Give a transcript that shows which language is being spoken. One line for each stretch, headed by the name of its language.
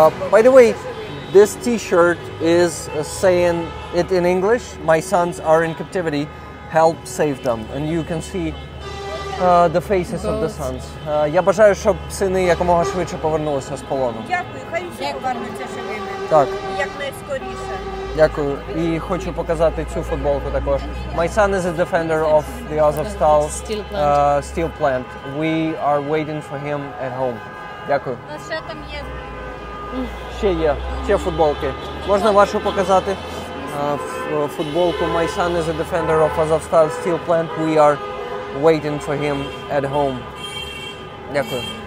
English: By the way, this T-shirt is saying it in English. My sons are in captivity. Help save them. And you can see the faces of the sons.
Ukrainian: Я бажаю, щоб сини якомога швидше повернулися з полону. Дякую. Хай усі повернуться живими. Так. Як найскоріше. Дякую. І хочу показати цю футболку також.
English: My son is a defender of the Azovstal steel plant. We are waiting for him at home.
Ukrainian: Дякую. Ще там є. Ще є. Ще футболки. Можна вашу показати? Футболку.
English: My son is a defender of Azovstal steel plant. We are waiting for him at home.
Ukrainian: Дякую.